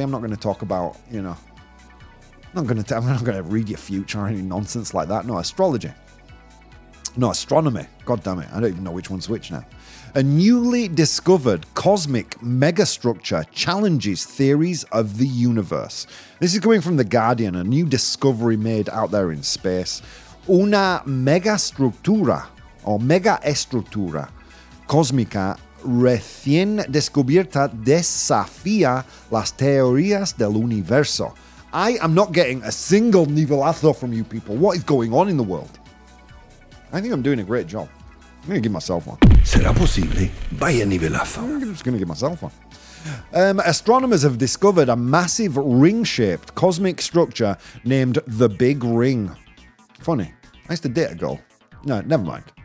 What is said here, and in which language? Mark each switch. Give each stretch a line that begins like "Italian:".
English: I'm not going to talk about, you know, I'm not going to read your future or any nonsense like that. No, astrology. No, astronomy. God damn it. I don't even know which one's which now. A newly discovered cosmic megastructure challenges theories of the universe. This is coming from The Guardian, a new discovery made out there in space.
Spanish: Una megastructura, or megaestructura cósmica recién descubierta, desafía las teorías del universo.
English: I am not getting a single nivelazo from you people. What is going on in the world? I think I'm doing a great job. I'm going to give myself one.
Spanish: ¿Será posible? Vaya nivelazo.
English: I'm just going to give myself one. Astronomers have discovered a massive ring-shaped cosmic structure named the Big Ring. Funny. I used to date a girl. No, never mind.